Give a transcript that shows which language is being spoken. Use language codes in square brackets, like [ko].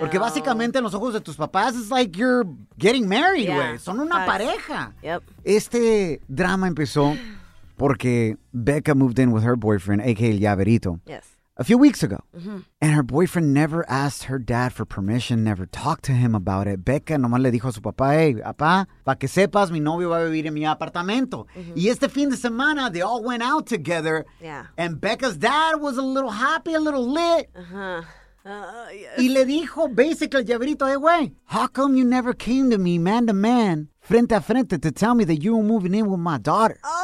[es] Porque básicamente en los ojos de tus papás, [en] it's like you're getting married, [es] güey. [en] Yeah. [es] Son una pareja. [en] Yep. [es] Este drama empezó porque [en] Becca moved in with her boyfriend, a.k.a. El Llaverito. Yes. A few weeks ago. Mm-hmm. And her boyfriend never asked her dad for permission, never talked to him about it. [es] Becca nomás le dijo a su papá, hey, papá, para que sepas, mi novio va a vivir en mi apartamento. [en] Mm-hmm. [es] Y este fin de semana, [en] they all went out together. Yeah. And Becca's dad was a little happy, a little lit. Uh-huh. [es] Y le dijo, [en] basically, Llaverito, hey, güey, how come you never came to me, man to man, [es] frente a frente, [en] to tell me that you were moving in with my daughter?